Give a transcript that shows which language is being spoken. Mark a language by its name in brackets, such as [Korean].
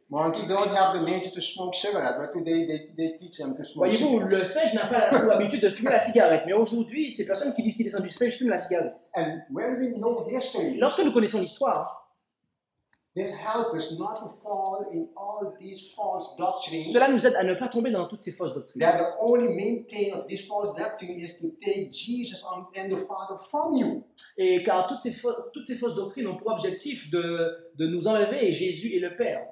[English] Monkey don't have the nature to smoke cigarette, but today they teach them to smoke. [French] Voyez-vous, le singe n'a pas l'habitude de fumer la cigarette, mais aujourd'hui, ces personnes qui disent qu'ils descendent du singe fument la cigarette. [English] And when we know history, [French] lorsque nous connaissons l'histoire, [English] this helps us not to fall in all these false doctrines. [French] Cela nous aide à ne pas tomber dans toutes ces fausses doctrines. [English] That the only main thing of this false doctrine is to take Jesus and the Father from you. [French] Et car toutes ces fausses doctrines ont pour objectif de nous enlever Jésus et le Père.